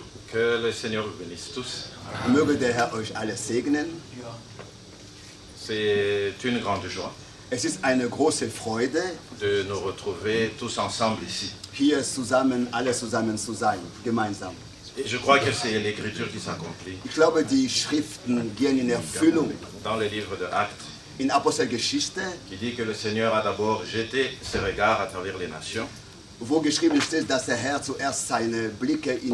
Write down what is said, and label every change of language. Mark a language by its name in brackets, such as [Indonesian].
[French] Que le Seigneur vous bénisse tous. [German] Möge der Herr euch alle segnen. Ja. [French] C'est une grande joie. [German] Es ist eine große Freude, [French] de nous retrouver tous ensemble ici. [German] Hier zusammen, alle zusammen zu sein, gemeinsam. [French] Et je crois que c'est l'écriture qui s'accomplit. [German] Ich glaube, die Schriften gehen in Erfüllung. [French] Dans le livre de Actes. [German] In Apostelgeschichte. [French] Qui dit que le Seigneur a d'abord jeté ses regards à travers les nations. [German] Wo geschrieben steht, dass der Herr zuerst seine Blicke in